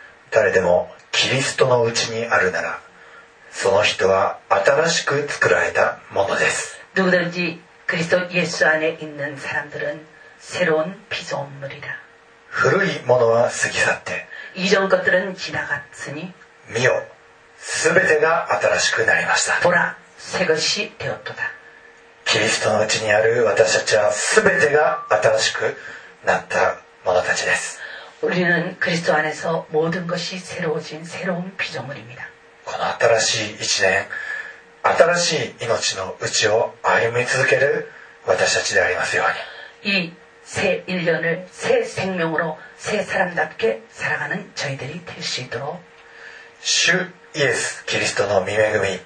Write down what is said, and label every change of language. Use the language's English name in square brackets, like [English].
[Japanese] 誰でもキリストのうちにあるなら、その人は新しく作られたものです。 [Korean] 누구든지그리스도예수안에있는사람들은새로운피조물이다 [Japanese] 古いものは過ぎ去って、 [Korean] 이전것들은지나갔으니 [Japanese] 미요すべてが新しくなりました。 [Korean] 보라새것이되었도다 [Japanese] キリストのうちにある私たちはすべてが新しくなったものたちです。 [Korean] 우리는그리스도안에서모든것이새로워진새로운피조물입니다 [Japanese] この新しい一年、新しい命のうちを歩み続ける私たちでありますように。 [Korean] 이새일년을새생명으로새사람답게살아가는저희들이될수있도록 [Japanese] 주イエスキリストの御恵み、